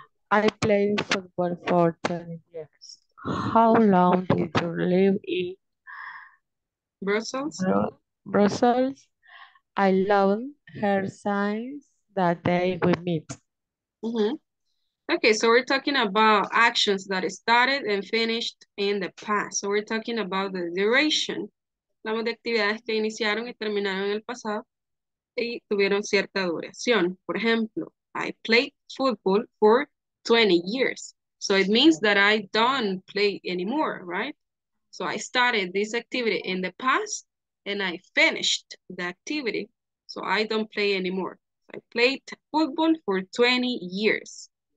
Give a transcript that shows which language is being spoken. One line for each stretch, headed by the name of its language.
English: I played football for 10 years. How long did you live in Brussels? Brussels. I love her signs that day we meet. Mm-hmm. Okay, so we're talking about actions that started and finished in the past. So we're talking about the duration.
Spanish: Hablamos de actividades que iniciaron y terminaron en el pasado y tuvieron cierta duración.
English: Por ejemplo, I played football for 20 years. So it means that I don't play anymore, right? So I started this activity in the past and I finished the activity. So I don't play anymore. I played football for 20 years.